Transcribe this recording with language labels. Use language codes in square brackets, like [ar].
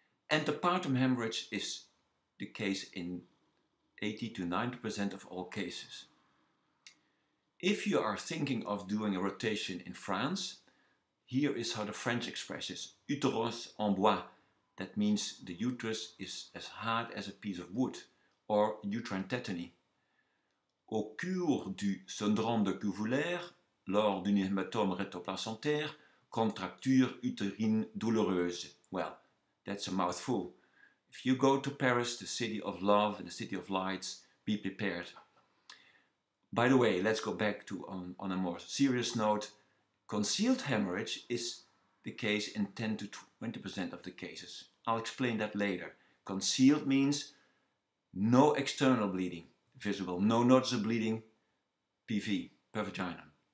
[en] Entepartum hemorrhage is the case in 80 to 90% of all cases. If you are thinking of doing a rotation in France, here is how the French expresses uterus [fr] en bois. [en] That means the uterus is as hard as a piece of wood, or uterine tetany. [fr] Au cours du syndrome de Couvelaire, lors d'un hématome rétroplacentaire, contracture uterine douloureuse. [en] Well, that's a mouthful. If you go to Paris, the city of love and the city of lights, be prepared. By the way, let's go back to on a more serious note. Concealed hemorrhage is the case in 10 to 20% of the cases. I'll explain that later. Concealed means no external bleeding visible, no noticeable bleeding PV, per vaginum.